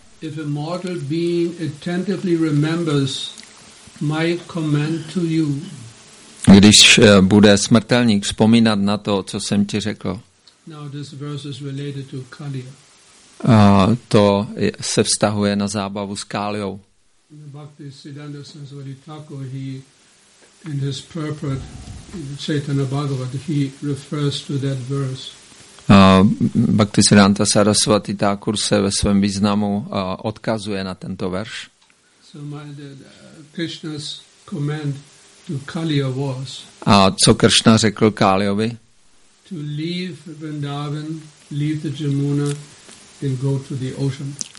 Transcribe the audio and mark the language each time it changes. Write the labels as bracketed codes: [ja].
[en] If a mortal being attentively remembers my command to you. [cs] Když bude smrtelník vzpomínat na to, co jsem ti řekl. [en] Now this verse is related to Kaliya. [cs] To se vztahuje na zábavu s Káliou. [en] Bhakti Siddhanta Saraswati Thakur, he in his purport Chaitanya Bhagavat, he refers to that verse. [cs] Bhaktisiddhanta Saraswati Thakur se ve svém významu odkazuje na tento verš. [en] So my, Krishna's command to Kaliya was. [cs] A co Krishna řekl Káliovi? [en] To leave Vrindavan, leave the Jamuna and go to the ocean.